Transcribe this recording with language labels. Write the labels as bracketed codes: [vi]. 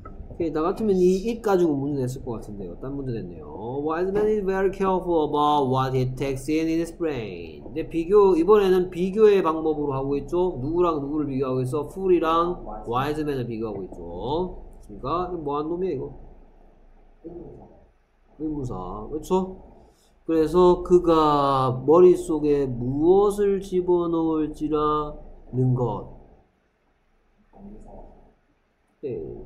[ko] 오케이, 나 같으면 이 it 가지고 문제 냈을 것 같은데요. 딴 문제 냈네요. [en] Wise man is very careful about what he takes in his brain. [ko] 근데 비교, 이번에는 비교의 방법으로 하고 있죠. 누구랑 누구를 비교하고 있어? Fool이랑 wise man을 비교하고 있죠. 그러니까, 뭐 하는 놈이야, 이거? 의무사. 그렇죠? 그래서 그가 머릿속에 무엇을 집어넣을지라는 것 네.